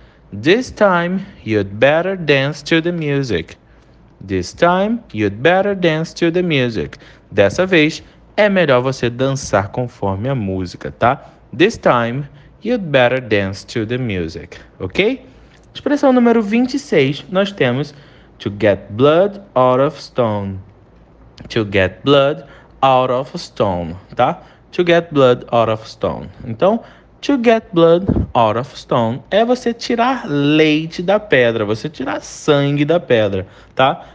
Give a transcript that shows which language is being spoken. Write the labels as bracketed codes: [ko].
[en] This time, you'd better dance to the music. This time, you'd better dance to the music. [pt] Dessa vez, é melhor você dançar conforme a música, tá? [en] This time, you'd better dance to the music, ok? [pt] Expressão número 26, nós temos [en] to get blood out of stone. To get blood out of stone, tá? To get blood out of stone. [pt] Então, [en] to get blood out of stone [pt] é você tirar leite da pedra, você tirar sangue da pedra, tá?